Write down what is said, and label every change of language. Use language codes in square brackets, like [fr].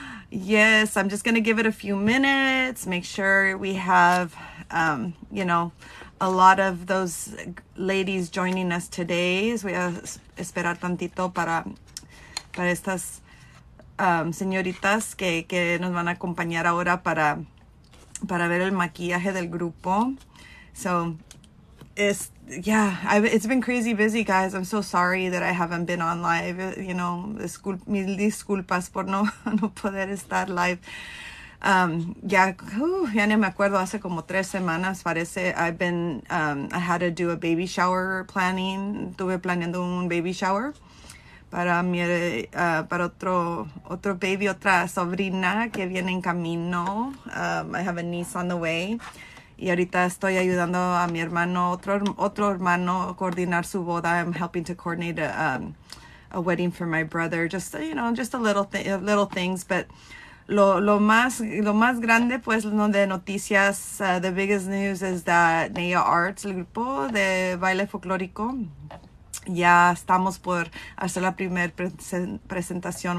[en] Yes, I'm just going to give it a few minutes. Make sure we have, you know, a lot of those ladies joining us today. [es] So voy a esperar tantito para estas señoritas que nos van a acompañar ahora para ver el maquillaje del grupo. [en] So, it's been crazy busy, guys. I'm so sorry that I haven't been on live. You know, [es] mil disculpas por no poder estar live. Ya no me acuerdo, hace como tres semanas parece. [en] I had to do a baby shower planning. [es] Tuve planeando un baby shower para otro baby, otra sobrina que viene en camino. [en] I have a niece on the way. [es] Y ahorita estoy ayudando a mi hermano, otro hermano, coordinar su boda. [en] I'm helping to coordinate a wedding for my brother. Just, you know, just a little things. But [es] lo más grande, pues, de noticias, [en] the biggest news is that [es] Neiya Arts, el grupo de baile folclórico, ya estamos por hacer la primera presentación.